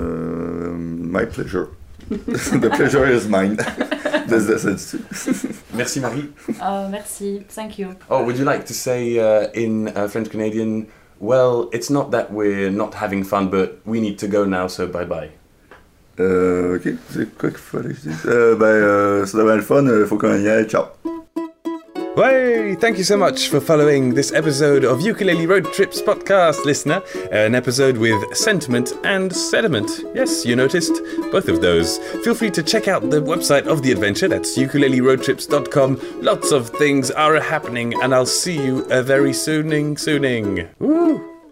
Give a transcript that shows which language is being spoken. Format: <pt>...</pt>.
<en>My pleasure. The pleasure is mine.</en> <fr>Merci, Marie. Merci.</fr> <en>Thank you. Oh, would you like to say in French Canadian, well, it's not that we're not having fun, but we need to go now, so bye-bye.</en> <fr>Okay, c'est quoi qu'il fallait dire? C'est vraiment le fun, il faut qu'on y aille, ciao.</fr> <en>Hey, thank you so much for following this episode of Ukulele Road Trips Podcast, listener. An episode with Sentiment and Sediment. Yes, you noticed both of those. Feel free to check out the website of the adventure. That's ukuleleroadtrips.com. Lots of things are happening, and I'll see you very sooning. Woo!</en>